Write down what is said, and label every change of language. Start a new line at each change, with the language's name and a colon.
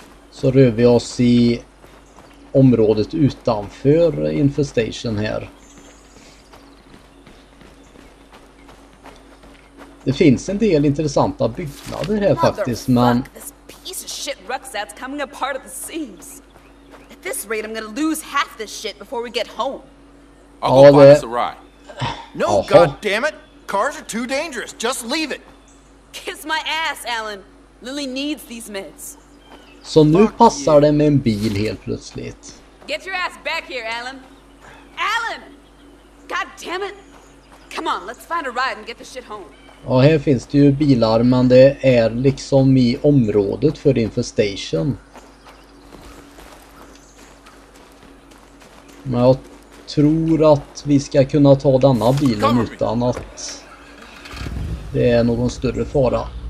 Swedish: Så rör vi oss i området utanför infestation här. Det finns en del intressanta byggnader här faktiskt, men...
English: This piece of shit rucksack's coming apart at the seams. At this rate, I'm gonna lose half this shit before we get home. I'll go find us a ride. No, goddammit! Cars are too dangerous, just leave it! Kiss my ass, Alan! Lily needs these meds.
Swedish: Så nu passar det med en bil helt plötsligt.
English: Get your ass back here, Alan! Alan! Goddammit! Come on, let's find a ride and get the shit home.
Swedish: Ja, här finns det ju bilar, men det är liksom i området för infestation. Men jag tror att vi ska kunna ta denna bilen utan att det är någon större fara.